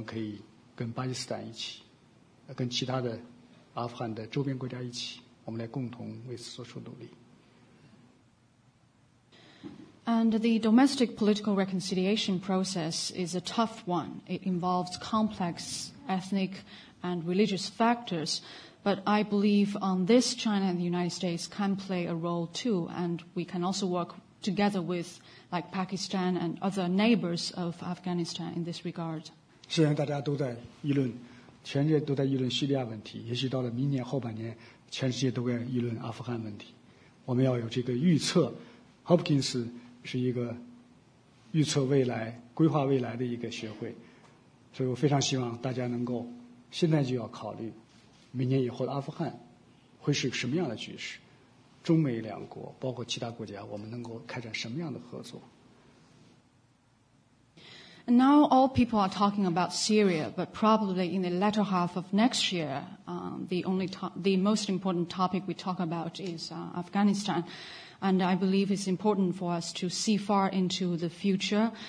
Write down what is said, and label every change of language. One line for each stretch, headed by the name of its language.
Chinese: 至于它国内的政治和解，这是一个很难的问题，涉及到很复杂的民族的和宗教的问题。但是我觉得我们中美两国还是可以发挥作用的，包括我们可以跟巴基斯坦一起。跟其他的阿富汗的周边国家一起，我们来共同为此做出努力。And
English: the domestic political reconciliation process is a tough one. It involves complex ethnic and religious factors. But I believe on this, China and the United States can play a role too, and we can also work together with, like Pakistan and other neighbors of Afghanistan in this regard.
Chinese: 现在大家都在议论。全世界都在议论叙利亚问题，也许到了明年后半年，全世界都在议论阿富汗问题。我们要有这个预测。Hopkins 是一个预测未来。规划未来的一个学会，所以我非常希望大家能够现在就要考虑明年以后的阿富汗会是什么样的局势，中美两国包括其他国家我们能够开展什么样的合作。
English: And now all people are talking about Syria, but probably in the latter half of next year, the most important topic we talk about is Afghanistan. And I believe it's important for us to see far into the future.